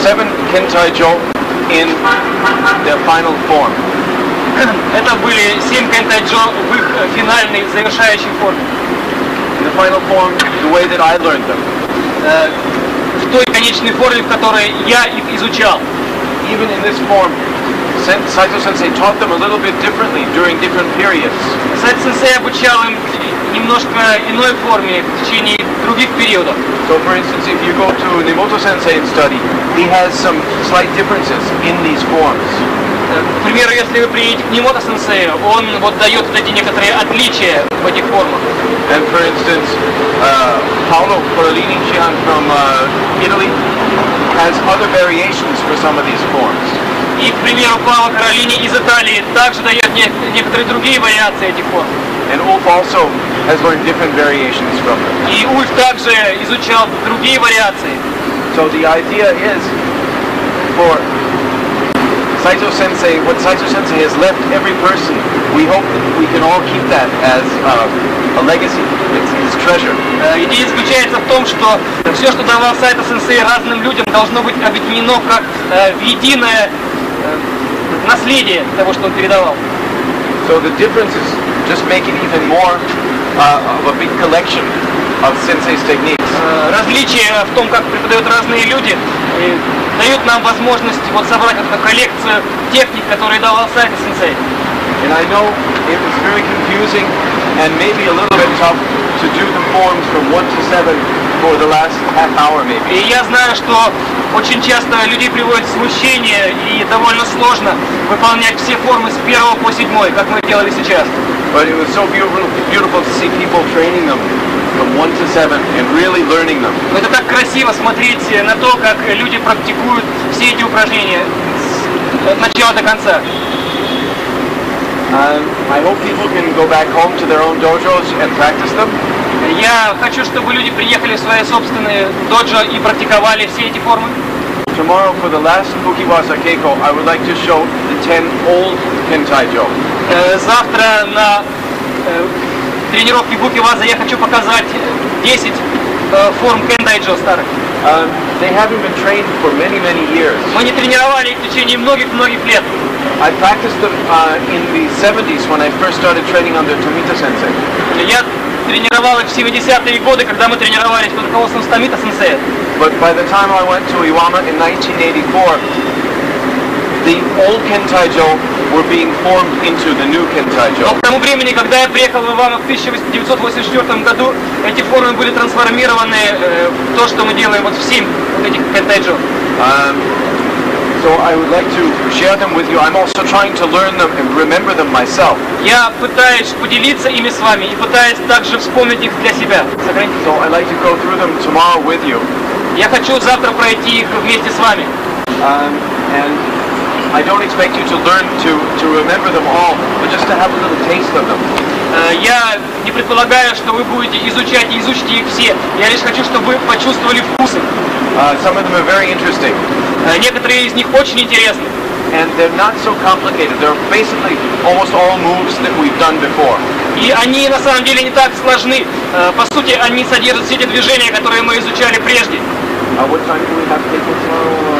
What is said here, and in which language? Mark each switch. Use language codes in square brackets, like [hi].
[en] seven Kintai jolt in their final form. [ru] Это были семь Kintai jolt в их финальной завершающей форме. [en] In the final form, the way that I learned them. [ru] В той конечной форме, в которой я их изучал. [en] Even in this form, Saito Sensei taught them a little bit differently during different periods. [ru] Saito Sensei обучал им немножко иной форме в течение других периодов. [en] So, for instance, if you go to Nemoto Sensei and study, he has some slight differences in these forms. [ru] К примеру, если вы приедете к Nemoto Sensei, он вот дает вот эти некоторые отличия в этих формах. [en] And for instance, Paolo Corallini Chian from Italy has other variations for some of these forms. [ru] И, к примеру, Paolo Corallini из Италии также дает некоторые другие вариации этих форм. [en] And Ulf also has learned different variations from them. [ru] И Ульф также изучал другие вариации. [en] So the idea is for Saito Sensei, what Saito Sensei has left every person, we hope that we can all keep that as a legacy, his treasure. [ru] Идея заключается в том, что все, что давал Saito Sensei разным людям, должно быть объединено как в единое наследие того, что он передавал. [en] So the difference is just make it even more of a big collection of Sensei's techniques. [ru] Различие в том, как преподают разные люди, дают нам возможность вот собрать эту коллекцию техник, которые давал Saito Sensei. [en] And I know it was very confusing and maybe a little bit tough to do the forms from 1 to 7 for the last half hour maybe. [ru] И я знаю, что очень часто люди приводят смущение и довольно сложно выполнять все формы с 1 по 7, как мы делали сейчас. [en] But it was so beautiful to see people training them from 1 to 7 and really learning them. [ru] Это так красиво смотреть на то, как люди практикуют все эти упражнения от начала до конца. [en] I hope people can go back home to their own dojos and practice them. [ru] Я хочу, чтобы люди приехали в свои собственные доджо и практиковали все эти формы. [en] Tomorrow for the last Fukibasa Keiko, I would like to show the 10 old Kintai Jo. [ru] Завтра на тренировке Букиваза я хочу показать 10 форм кендайджо старых. [en] They haven't been trained for many years. [ru] Мы не тренировали их в течение многих лет. [en] I practiced them in the 70s when I first started training under Tomita Sensei. [ru] Я тренировал их в 70-е годы, когда мы тренировались под руководством Томита Сенсея. [en] But by the time I went to Iwama in 1984, the old Kintaijo were being formed into the new Kintaijo. [ru] Но к тому времени, когда я приехал в Ивану в 1984 году, эти формы были трансформированы в то, что мы делаем вот всем вот этих Kintaijo. [en] So I would like to share them with you. I'm also trying to learn them and remember them myself. [ru] Я пытаюсь поделиться ими с вами и пытаюсь также вспомнить их для себя. [en] So I'd like to go through them tomorrow with you. [ru] Я хочу завтра пройти их вместе с вами. [en] And I don't expect you to learn to remember them all, but just to have a little taste of them. [ru] Я не предполагаю, что вы будете изучать и изучите их все. Я лишь хочу, чтобы вы почувствовали вкус. [en] Some of them are very interesting. [ru] Некоторые из них очень интересны. [en] And they're not so complicated. They're basically almost all moves that we've done before. [ru] И они на самом деле не так сложны. По сути, они содержат все эти движения, которые мы изучали прежде. [en] What time do we have to take tomorrow?